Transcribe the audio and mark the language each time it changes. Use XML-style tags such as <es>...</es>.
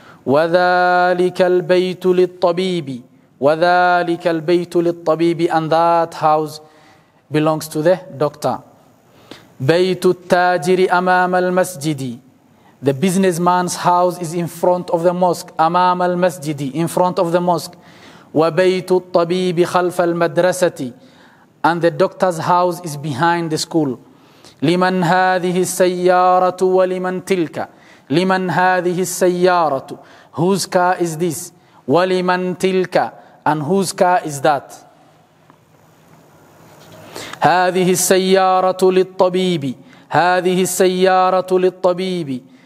<ar>وذلك البيت للطبيب. وذلك البيت للطبيب.</ar> <en>And that house belongs to the doctor.</en> <ar>بيت التاجر أمام المسجد.</ar> <en>The businessman's house is in front of the mosque.</en> <ar>أمام المسجد.</ar> <en>In front of the mosque.</en> <ar>وبيت الطبيب خلف المدرسة.</ar> <en>And the doctor's house is behind the school.</en> <ar>لمن هذه السيارة ولمن تلك. لمن هذه السيارة.</ar> <en>Whose car is this?</en> <ar>ولمن تلك.</ar> <en>And whose car is that?</en> <ar>هذه السيارة للطبيب. هذه السيارة للطبيب.</ar>